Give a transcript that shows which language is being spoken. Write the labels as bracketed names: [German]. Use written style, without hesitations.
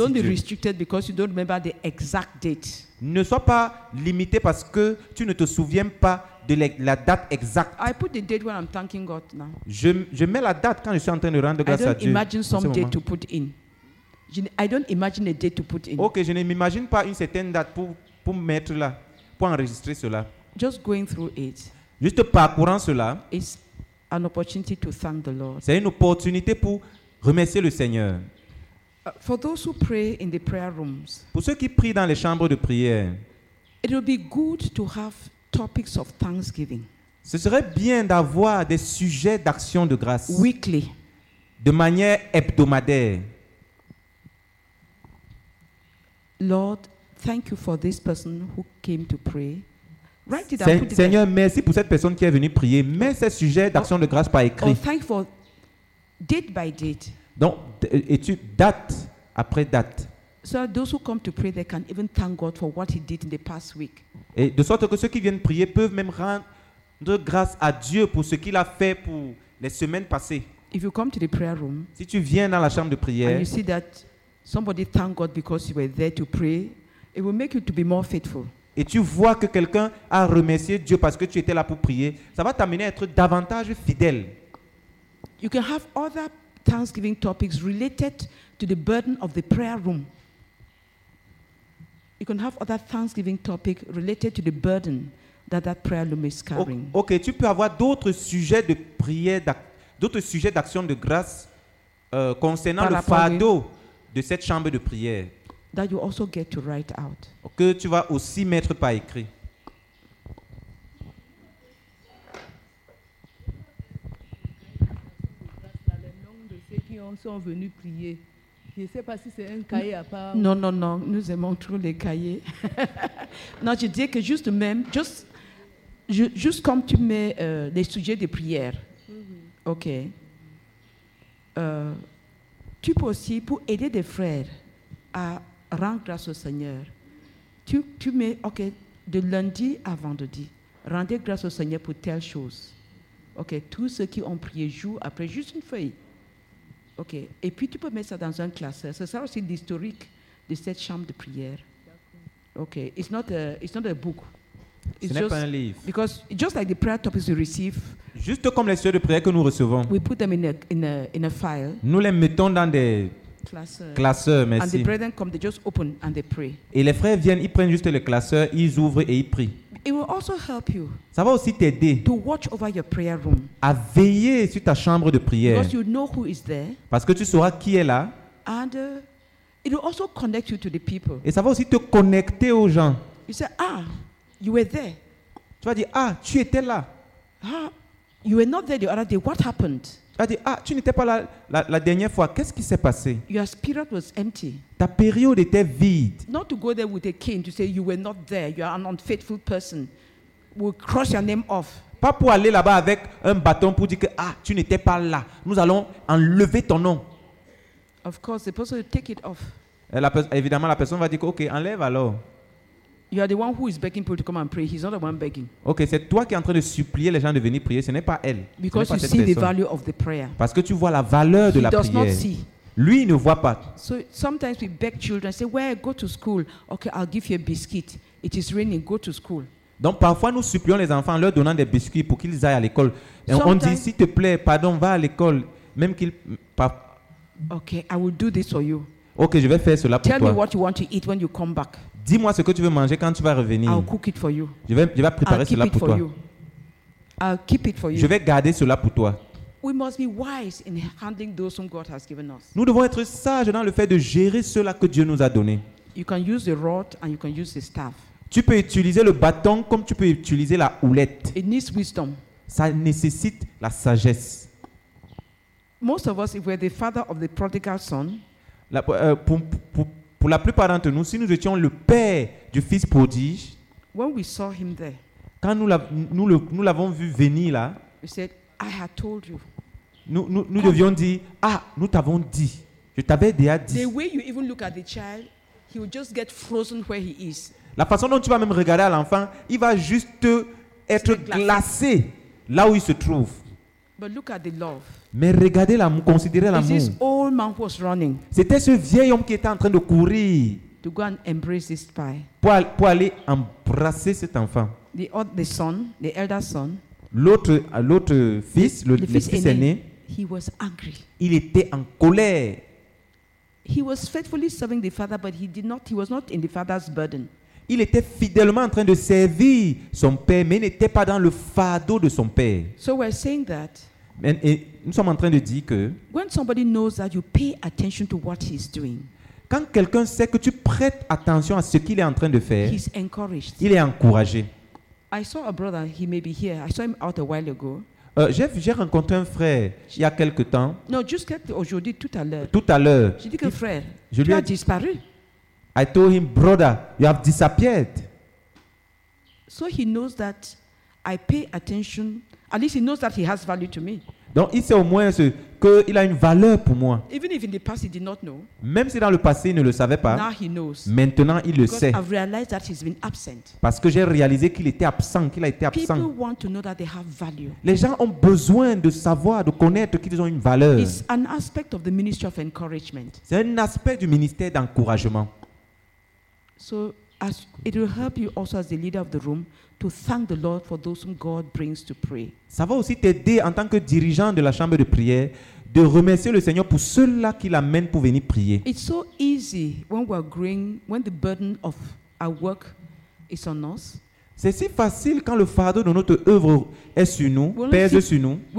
[English] don't [French] Dieu. [English] Don't be restricted because you don't remember the exact date. [French] Ne sois pas limité parce que tu ne te souviens pas de la date exacte. [English] I put the date when I'm thanking God now. [French] Je mets la date quand je suis en train de rendre grâce à Dieu. [English] I don't imagine some date to put in. I don't imagine a date to put in. [French] Okay, je ne m'imagine pas une certaine date pour mettre là, pour enregistrer cela. [English] Just going through it. [French] Juste parcourant cela. [English] It's an opportunity to thank the Lord. [French] C'est une opportunité pour remercier le Seigneur. [English] For those who pray in the prayer rooms, [French] pour ceux qui prient dans les chambres de prière, [English] it would be good to have topics of thanksgiving. [French] Ce serait bien d'avoir des sujets d'action de grâce. [English] Weekly. [French] De manière hebdomadaire. [English] Lord, thank you for this person who came to pray. Write it down. [French] Seigneur, merci pour cette personne qui est venue prier. Mets ces sujets d'action de grâce par écrit. [English] Or thank for date by date. [French] Donc, étude date après date. [English] So those who come to pray, they can even thank God for what He did in the past week. [French] Et de sorte que ceux qui viennent prier peuvent même rendre grâce à Dieu pour ce qu'il a fait pour les semaines passées. [English] If you come to the prayer room, [French] si tu viens dans la chambre de prière, [English] and you see that somebody thanked God because you were there to pray, it will make you to be more faithful. [French] Et tu vois que quelqu'un a remercié Dieu parce que tu étais là pour prier, ça va t'amener à être davantage fidèle. [English] You can have other thanksgiving topics related to the burden of the prayer room. You can have other thanksgiving topic related to the burden that that prayer room is carrying. [French] Okay, tu peux avoir d'autres sujets de prière, d'autres sujets d'action de grâce concernant le fardeau de cette chambre de prière. [English] That you also get to write out. [French] Que tu vas aussi mettre par écrit. Le nom de ceux qui sont venus prier. Je ne sais pas si c'est un cahier à part. Non, non, non. Nous aimons trop les cahiers. Non, je dis que juste même, juste comme tu mets les sujets de prière. OK. Tu peux aussi, pour aider des frères à rendre grâce au Seigneur, tu mets, OK, de lundi à vendredi, rendez grâce au Seigneur pour telle chose. OK, tous ceux qui ont prié jour après, juste une feuille. OK, et puis tu peux mettre ça dans un classeur. Ce sera aussi l'historique de cette chambre de prière. [English] OK, it's not a book. [French] Ce n'est pas un livre. [English] Because just like the prayer topics we receive, [French] juste comme les sujets de prière que nous recevons, [English] we put them in a file. [French] Nous les mettons dans des classeurs. Merci. [English] And the brethren come, they just open and they pray. [French] Et les frères viennent, ils prennent juste le classeur, ils ouvrent et ils prient. [English] It will also help you. [French] Ça va aussi t'aider. [English] To watch over your prayer room. [French] À veiller sur ta chambre de prière. [English] Because you know who is there. [French] Parce que tu sauras qui est là. [English] And it will also connect you to the people. [French] Et ça va aussi te connecter aux gens. [English] You say, ah, you were there. [French] Tu vas dire, ah, tu étais là. [English] Ah, you were not there the other day. What happened? [French] Tu vas dire, ah, tu n'étais pas là la dernière fois. Qu'est-ce qui s'est passé? [English] Your spirit was empty. [French] Ta période était vide. [English] Not to go there with a cane to say you were not there. You are an unfaithful person. We'll cross your name off. [French] Pas pour aller là-bas avec un bâton pour dire que, ah, tu n'étais pas là. Nous allons enlever ton nom. [English] Of course, the person will take it off. [French] Évidemment, la personne va dire, ok, enlève alors. [English] You are the one who is begging people to come and pray. He's not the one begging. [French] Okay, c'est toi qui es en train de supplier les gens de venir prier. Ce n'est pas elle. [English] Because [French] pas [English] you see the value of the prayer. [French] Parce que tu vois la valeur de la prière. [English] He does not see. [French] Lui, il ne voit pas. [English] So sometimes we beg children, say, "Where? Go to school. Okay, I'll give you a biscuit. It is raining. Go to school." [French] Donc parfois nous supplions les enfants, leur donnant des biscuits pour qu'ils aillent à l'école. Et on dit, s'il te plaît, pardon, va à l'école, même qu'il. [English] Okay, I will do this for you. [French] Okay, je vais faire cela pour [English] Tell [French] toi. [English] Tell me what you want to eat when you come back. [French] Dis-moi ce que tu veux manger quand tu vas revenir. [English] I'll cook it for you. [French] Je vais préparer cela pour toi. [English] I'll keep it for you. [French] Je vais garder cela pour toi. [English] We must be wise in handling those whom God has given us. [French] Nous devons être sages dans le fait de gérer cela que Dieu nous a donné. [English] You can use the rod and you can use the staff. [French] Tu peux utiliser le bâton comme tu peux utiliser la houlette. [English] It needs wisdom. [French] Ça nécessite la sagesse. [English] Most of us, if we're the father of the prodigal son, [French] pour la plupart d'entre nous, si nous étions le père du fils prodige, [English] when we saw him there, [French] quand nous l'avons vu venir là, [English] we said, I had told you. [French] Nous devions dire, ah, nous t'avons dit, je t'avais déjà dit. [English] The way you even look at the child, he will just get frozen where he is. [French] La façon dont tu vas même regarder à l'enfant, il va juste être glacé là où il se trouve. [English] But look at the love. [French] Mais regardez l'amour, considérez l'amour. [English] This old man was running. [French] C'était ce vieil homme qui était en train de courir. [English] To go and embrace this boy. [French] Pour aller embrasser cet enfant. [English] The son, the elder son. [French] L'autre fils, le fils aîné. [English] He was angry. [French] Il était en colère. [English] He was faithfully serving the father, but he was not in the father's burden. [French] Il était fidèlement en train de servir son père, mais n'était pas dans le fardeau de son père. [English] So we're saying that. [French] Et nous sommes en train de dire que [English] when somebody knows that you pay attention to what he's doing, [French] quand quelqu'un sait que tu prêtes attention à ce qu'il est en train de faire, [English] he's encouraged. [French] Il est encouragé. [English] I saw a brother, he may be here. I saw him out a while ago. [French] J'ai rencontré un frère il y a quelque temps. Non, juste aujourd'hui, tout à l'heure. Tout à l'heure. J'ai dit que frère, tu as disparu. [English] I told him, brother, you have disappeared. So he knows that I pay attention. At least he knows that he has value to me. [French] Donc il sait au moins ce que il a une valeur pour moi. [English] Even if in the past he did not know. [French] Même si dans le passé il ne le savait pas. [English] Now he knows. [French] Maintenant il [English] because [French] le sait. [English] I've realized that he's been absent. [French] Parce que j'ai réalisé qu'il était absent, qu'il a été absent. [English] People want to know that they have value. [French] Les gens ont besoin de savoir, de connaître qu'ils ont une valeur. [English] It's an aspect of the ministry of encouragement. [French] C'est un aspect du ministère d'encouragement. [English] So as it will help you also as the leader of the room to thank the Lord for those whom God brings to pray. [French] Ça va aussi t'aider en tant que dirigeant de la chambre de prière de remercier le Seigneur pour ceux-là qu'il amène pour venir prier. [English] It's so easy when we are growing, when the burden of our work is on us. [French] C'est si facile quand le fardeau de notre œuvre est sur nous, pèse sur nous.